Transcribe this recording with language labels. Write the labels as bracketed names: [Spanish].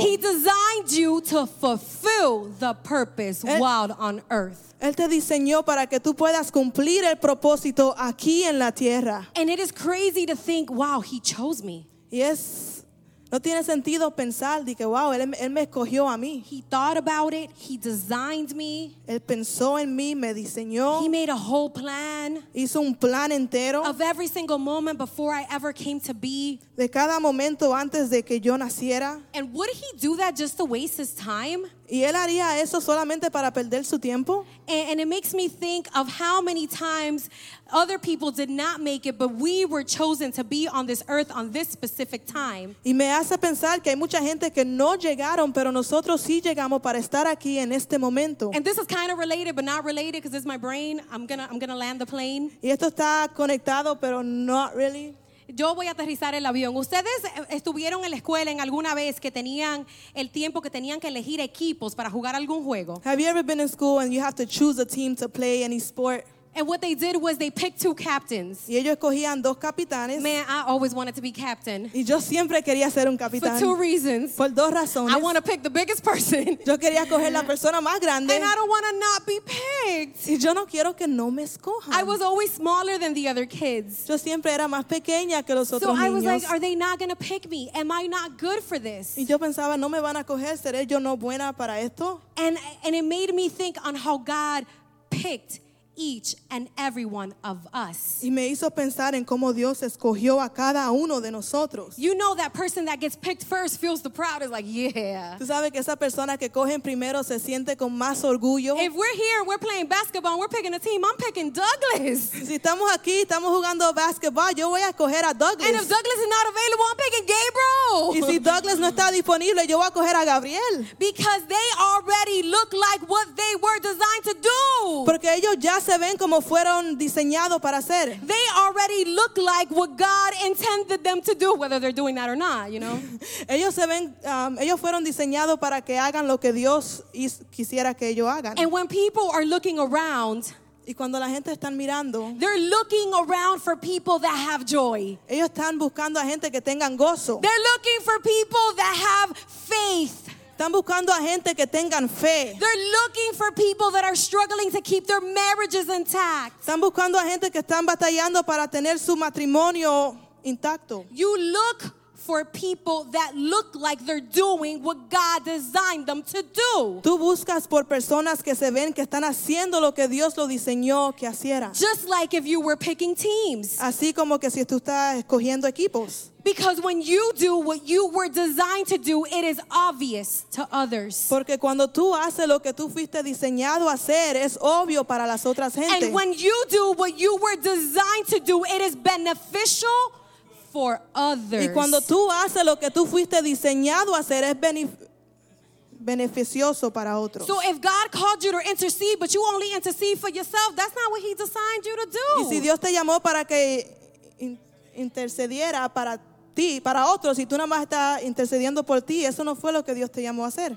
[English] He designed you to fulfill the purpose while on earth. [Spanish] Él te diseñó para que tú puedas cumplir el propósito aquí en la tierra. [English] And it is crazy to think, wow, he chose me. Yes. [Spanish] No tiene sentido pensar de que wow, él me escogió a mí. [English] He thought about it. He designed me. [Spanish] Él pensó en mí, me diseñó. [English] He made a whole plan. [Spanish] Hizo un plan entero. [English] Of every single moment before I ever came to be. [Spanish] De cada momento antes de que yo naciera. [English] And would he do that just to waste his time? [Spanish] ¿Y él haría eso solamente para perder su tiempo? [English] And it makes me think of how many times other people did not make it, but we were chosen to be on this earth on this specific time. [Spanish] Y me hace pensar que hay mucha gente que no llegaron, pero nosotros sí llegamos para estar aquí en este momento. [English] And this is kind of related, but not related, because it's my brain. I'm gonna land the plane. [Spanish] Y esto está conectado, pero [English] not really. [Spanish] Yo voy a aterrizar el avión. Ustedes estuvieron en la escuela en alguna vez que tenían el tiempo que tenían que elegir equipos para jugar algún juego. [English] Have you ever been in school and you have to choose a team to play any sport? And what they did was they picked two captains. [Spanish] Y ellos escogían dos capitanes. [English] Man, I always wanted to be captain. [Spanish] Y yo siempre quería ser un capitán. [English] For two reasons. [Spanish] Por dos razones. [English] I want to pick the biggest person. [Spanish] Yo quería escoger la persona más grande. [English] And I don't want to not be picked. [Spanish] Y yo no quiero que no me escojan. [English] I was always smaller than the other kids. [Spanish] Yo siempre era más pequeña que los otros niños. [English] So I was like, are they not going to pick me? Am I not good for this? [Spanish] Y yo pensaba, no me van a coger. ¿Seré yo no buena para esto? [English] And it made me think on how God picked each and every one of us. [Spanish] Y me hizo pensar en cómo Dios escogió a cada uno de nosotros. [English] You know that person that gets picked first feels the proudest, like, yeah. [Spanish] Tú sabes que esa persona que cogen primero se siente con más orgullo. [English] If we're here, we're playing basketball, and we're picking a team, I'm picking Douglas. [Spanish] Si estamos aquí, estamos jugando basketball, yo voy a escoger a Douglas. [English] And if Douglas is not available, I'm picking Gabriel. [Spanish] Y si Douglas no está disponible, yo voy a coger a Gabriel. [English] Because they already look like what they were designed to do. [Spanish] Porque ellos ya se ven como fueron diseñados para hacer. [English] They already look like what God intended them to do, whether they're doing that or not, you know. [Spanish] Ellos se ven, ellos fueron diseñados para que hagan lo que Dios quisiera que ellos hagan. [English] And when people are looking around, [Spanish] y cuando la gente están mirando, [English] they're looking around for people that have joy. [Spanish] Ellos están buscando a gente que tengan gozo. [English] They're looking for people that have faith. [Spanish] Están buscando a gente que tengan fe. [English] They're looking for people that are struggling to keep their marriages intact. [Spanish] Están buscando a gente que están batallando para tener su matrimonio intacto. [English] You look for people that look like they're doing what God designed them to do. [Spanish] Tú buscas por personas que se ven que están haciendo lo que Dios lo diseñó que hicieran. [English] Just like if you were picking teams. [Spanish] Así como que si tú estás escogiendo equipos. [English] Because when you do what you were designed to do, it is obvious to others. [Spanish] Porque cuando tú haces lo que tú fuiste diseñado a hacer, es obvio para las otras gentes. [English] And when you do what you were designed to do, it is beneficial for others. [Spanish] Y cuando tú haces lo que tú fuiste diseñado a hacer, es beneficioso para otros. [English] So if God called you to intercede, but you only intercede for yourself, that's not what he designed you to do. [Spanish] Y si Dios te llamó para que intercediera para ti, para otros, y tú nada más estás intercediendo por ti, eso no fue lo que Dios te llamó a hacer.